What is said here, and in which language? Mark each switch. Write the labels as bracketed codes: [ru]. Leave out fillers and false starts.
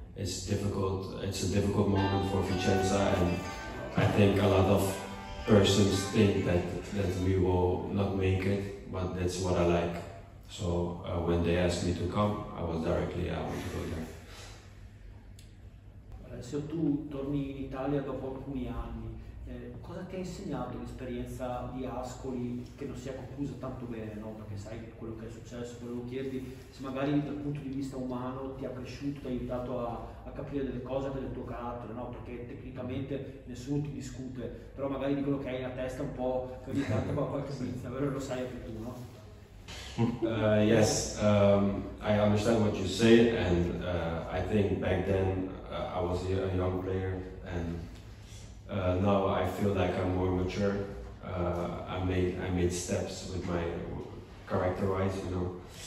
[en] It's difficult, it's a difficult moment for Vicenza, and I think a lot of persons think that we will not make it, but that's what I like. So when they asked me to come, I was directly, I want to go there. [it] Se tu torni in Italia dopo alcuni anni, Cosa ti ha insegnato l'esperienza di Ascoli, che non si è conclusa tanto bene, no? Perché sai quello che è successo, volevo chiederti se magari dal punto di vista umano ti ha cresciuto, ti ha aiutato a capire delle cose del tuo carattere, no? Perché tecnicamente nessuno ti discute, però magari di quello che hai la testa un po' che ogni tanto va a qualche pizza, però lo sai anche tu, no? [en] Yes, I understand what you say, and I think back then I was a young player, and now I feel like I'm more mature. I made steps with my character-wise, you know.